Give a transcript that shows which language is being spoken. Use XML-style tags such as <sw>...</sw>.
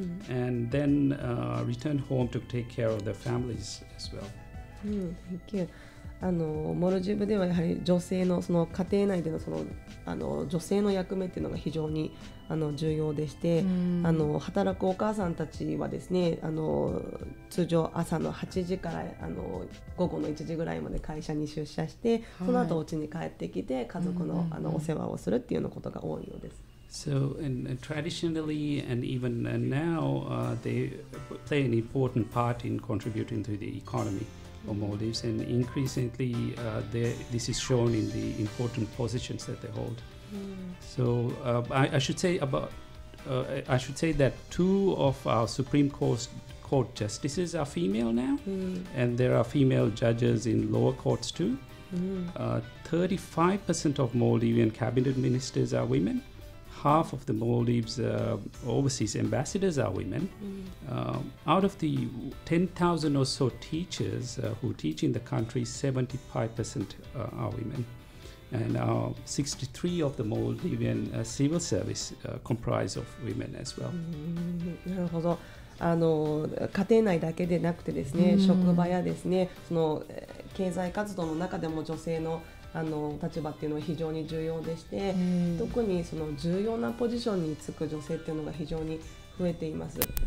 <en>And then return home to take care of their families as well. Thank you.</en> <ja>あのモルジブではやはり女性 の, その家庭内で の, そ の, あの女性の役目っていうのが非常にあの重要でして、あの働くお母さんたちはですね、あの通常朝の8時からあの午後の1時ぐらいまで会社に出社して、その後お家に帰ってきて家族 の, あのお世話をするっていうようなことが多いようです。</ja> <en>So and traditionally and even now they play an important part in contributing to the economy of Maldives, and increasingly this is shown in the important positions that they hold. So I should say that two of our Supreme Court justices are female now, and there are female judges in lower courts too. 35% of Maldivian cabinet ministers are women. Half of the Maldives overseas ambassadors are women. Out of the 10,000 or so teachers who teach in the country, 75% are women. And 63 of the Maldivian civil service comprise of women as well.</en> <ja>なるほど。あの、家庭内だけでなくてですね、職場やですね、その経済活動の中でも女性のあの立場っていうのは非常に重要でして、特にその重要なポジションにつく女性っていうのが非常に増えています、</ja>